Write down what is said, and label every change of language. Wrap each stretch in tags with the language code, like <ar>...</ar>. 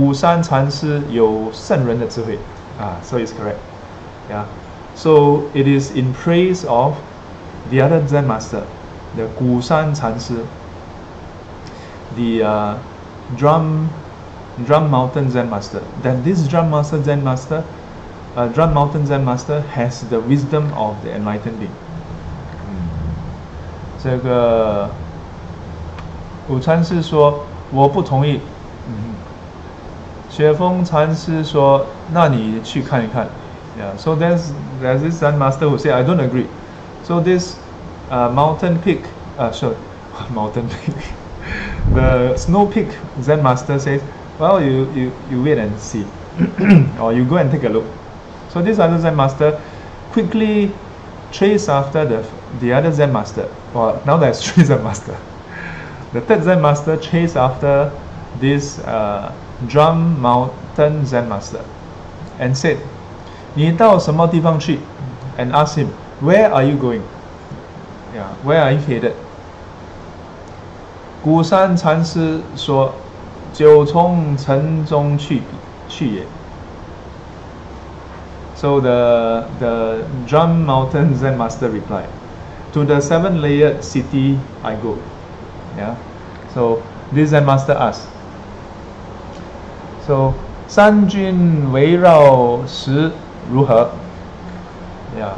<zh>也就是赞叹古山禅师有圣人的智慧.</zh> <en>So it's correct. Yeah. So it is in praise of the other Zen master, the 古山禅师, the Drum Mountain Zen master. Then this Drum Mountain Zen master has the wisdom of the enlightened being.</en> <zh>这个武禅师说我不同意。雪峰禅师说, 那你去看一看。</zh> <en>Yeah, so there's this Zen master who said, I don't agree. So this the snow peak Zen master says, well, you wait and see, or you go and take a look. So this other Zen master quickly chased after the other Zen master. Well, now there's three Zen master. The third Zen master chased after this Drum Mountain Zen master and said,</en> <zh>你到什么地方去?</zh> <en>And asked him, where are you going? Yeah, where are you headed?</en> <zh>古山禅师说, 九重城中去也.</zh> <en>So the Drum Mountain Zen master replied, to the seven layered city I go. Yeah. So this Zen master asked, so</en> <zh>三军围绕时如何?</zh> <en>Yeah.</en>